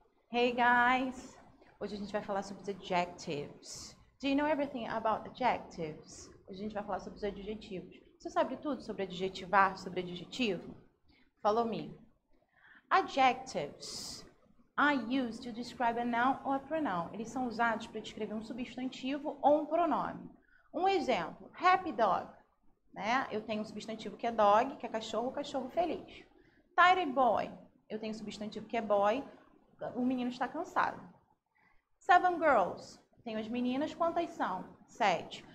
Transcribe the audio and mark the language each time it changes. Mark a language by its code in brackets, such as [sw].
[en] Hey guys, [pt] hoje a gente vai falar sobre os adjectives. [en] Do you know everything about adjectives? [pt] Hoje a gente vai falar sobre os adjetivos. Você sabe tudo sobre adjetivar, sobre adjetivo? [en] Follow me. Adjectives are used to describe a noun or a pronoun. [pt] Eles são usados para descrever um substantivo ou um pronome. Um exemplo, [en] happy dog. [pt] Né? Eu tenho um substantivo que é dog, que é cachorro, cachorro feliz. [en] Tired boy. [pt] Eu tenho um substantivo que é boy. O menino está cansado. [en] Seven girls. [pt] Tenho as meninas. Quantas são? Sete.